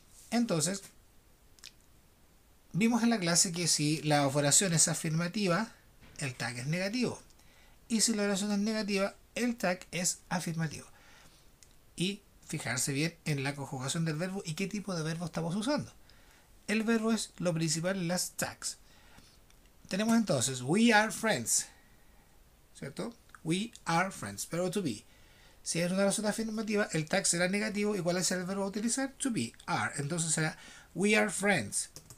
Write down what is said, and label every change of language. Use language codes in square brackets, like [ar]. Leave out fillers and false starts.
[es] Entonces, vimos en la clase que si la oración es afirmativa, el tag es negativo. Y si la oración es negativa, el tag es afirmativo. Y fijarse bien en la conjugación del verbo y qué tipo de verbo estamos usando. El verbo es lo principal en las tags. Tenemos entonces, [en] we are friends. [es] ¿Cierto? [en] We are friends, verbo to be. [es] Si es una oración afirmativa, el tag será negativo. ¿Y cuál es el verbo a utilizar? [en] To be, are. [es] Entonces será, [en] we are friends.